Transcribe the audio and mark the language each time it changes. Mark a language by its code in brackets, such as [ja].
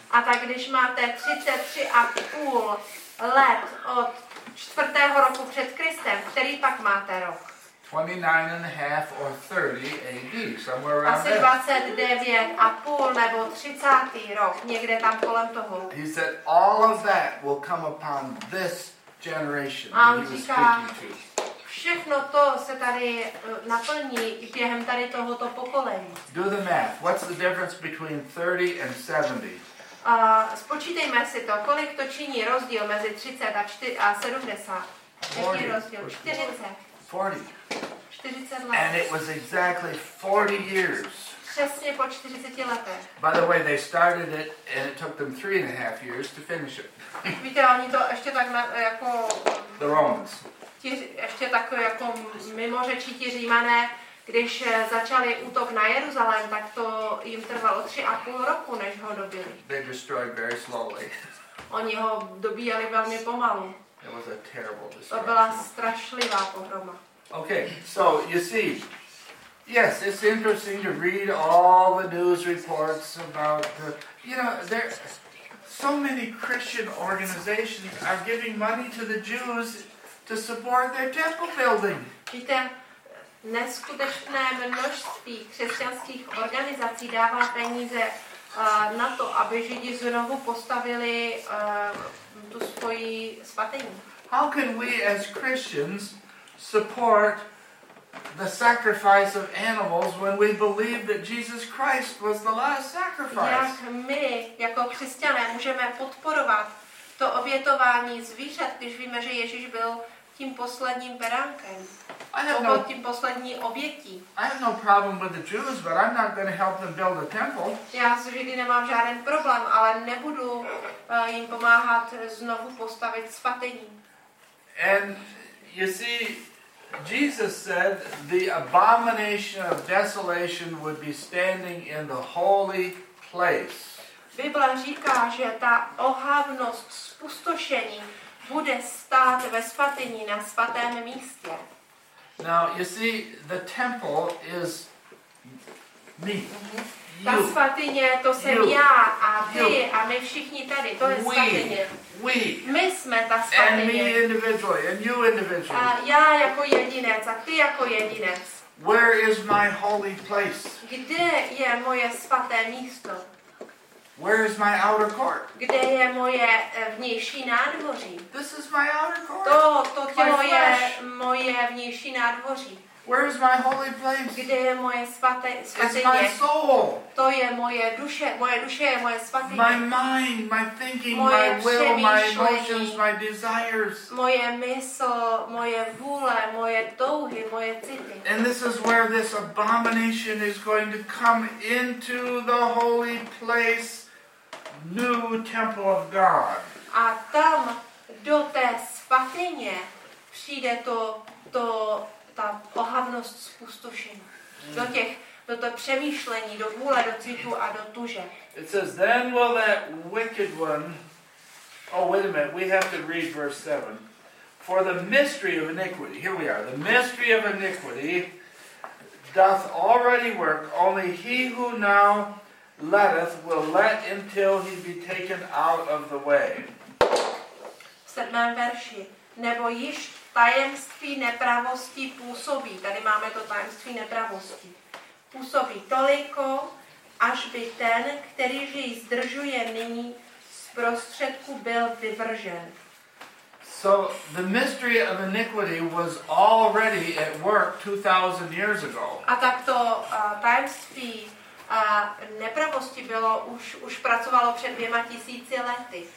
[cs] A tak když máte 33 a půl let od 4. roku před Kristem, který pak máte rok? [en] 29 and a half or 30 AD, somewhere around there. [cs] Asi 29 a půl nebo 30. rok, někde tam kolem toho. [en] He said all of that will come upon this generation. [cs] A on říká, všechno to se tady naplní i během tady tohoto pokolení. [en] Do the math. What's the difference between 30 and 70? [cs] Spočítejme si to, kolik to činí rozdíl mezi 30 a 70. Jaký rozdíl? 40 let. [en] And it was exactly 40 years. [cs] Přesně po 40 letech. [en] By the way, they started it and it took them 3.5 years to finish it. [cs] Víte, oni to ještě tak jako... [en] The Romans. [cs] Ještě tak jako mimo řečí ti Římané, když začali útok na Jeruzalém, tak to jim trvalo 3.5 roku, než ho dobili. [en] They destroyed very slowly. [cs] Oni ho dobíjali velmi pomalu. [en] It was a terrible destruction. [cs] To byla strašlivá pohroma. [en] Okay, so you see, yes, it's interesting to read all the news reports about the, you know, there, so many Christian organizations are giving money to the Jews to support their temple building. [cs] Víte, neskutečné množství křesťanských organizací dává peníze na to, aby Židi znovu postavili tu svoji svatyni. [en] How can we as Christians support the sacrifice of animals when we believe that Jesus Christ was the last sacrifice? [cs] Jak my jako křesťané můžeme podporovat to obětování zvířat, když víme, že Ježíš byl tím posledním beránkem, tím poslední obětí? [en] I have no problem with the Jews, but I'm not going to help them build a temple. [cs] Já s Židy nemám žádný problém, ale nebudu jim pomáhat znovu postavit svatyni. [en] And you see, Jesus said the abomination of desolation would be standing in the holy place. [cs] Bible říká, že ta ohavnost spustošení bude stát ve svatyni na svatém místě. [en] Now, you see, the temple is me. [cs] Ta svatyně, to jsem [en] you. [cs] Já a ty [en] you. [cs] A my všichni tady, to je svatyně. [en] We. [cs] My jsme ta svatyně. [en] And me individually, and you individually. [cs] A já jako jedinec a ty jako jedinec. [en] Where is my holy place? [cs] Kde je moje svaté místo? [en] Where is my outer court? [cs] Kde je moje vnější nádvoří? [en] This is my outer court. [cs] To tělo je moje vnější nádvoří. [en] Where is my holy place? [cs] Kde je moje svatyně? [en] It's my soul. [cs] To je moje duše. Moje duše je moje svatyně. [en] My mind, my thinking, [cs] moje [en] my will, my emotions, my desires. [cs] Moje mysl, moje vůle, moje touhy, moje city. [en] And this is where this abomination is going to come into the holy place, new temple of God. [cs] A tam do té svatyně přijde to ta ohavnost spustošení. Do přemýšlení, do vůle, do cítu a do tuže. [en] It says, then will that wicked one... Oh, wait a minute, we have to read verse 7. For the mystery of iniquity, here we are, the mystery of iniquity doth already work, only he who now letteth will let until he be taken out of the way. [cs] V 7. verši. Nebo již tajemství nepravosti působí. Tady máme to tajemství nepravosti. Působí toliko, až by ten, který jej zdržuje nyní, z prostředku byl vyvržen. [en] So the mystery of iniquity was already at work 2000 years ago. [cs] A tak to tajemství nepravosti bylo už pracovalo před 2000 lety.